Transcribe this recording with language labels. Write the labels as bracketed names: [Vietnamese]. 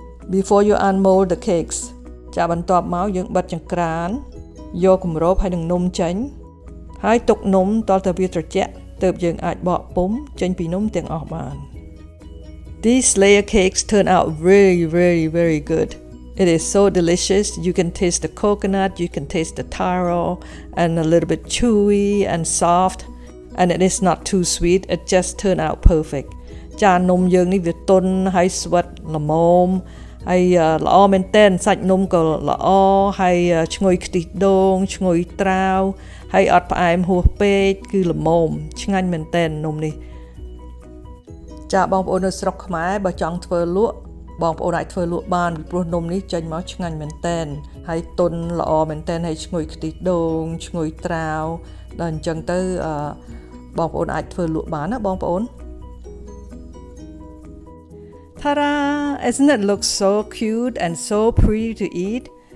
[English] Before you unmold the cakes, [Khmer] ចាប់បន្ទាប់មកយើងបិទចង្ក្រានយកគម្របហើយនឹងនំចេញហើយទុកនំទាល់តែវាត្រជាក់ទើបយើងអាចបកពុម្ពចេញពីនំទាំងអស់បាន [English] These layer cakes turn out really, really, very good. It is so delicious. You can taste the coconut, you can taste the taro, and a little bit chewy and soft. And it is not too sweet, it just turned out perfect. [Khmer] ចានំយើងនេះវាទន់ហើយស្វិតល្មមហើយល្អមែនទែនសាច់នំក៏ល្អហើយឈ្ងុយខ្ទិះដូងឈ្ងុយត្រាវហើយអត់ផ្អែមហួសពេកគឺល្មមឆ្ងាញ់មែនទែននំនេះ ចាបងប្អូននៅស្រុកខ្មែរបើចង់ធ្វើលក់បងប្អូនអាចធ្វើលក់បានព្រោះនំនេះចេញមកឆ្ងាញ់មែនទែនហើយទន់ល្អមែនទែនហើយឈ្ងុយខ្ទិះដូងឈ្ងុយត្រាវដល់អញ្ចឹងទៅបងប្អូនអាចធ្វើលក់បានណាបងប្អូន Ta-da! [English] Isn't it look so cute and so pretty to eat?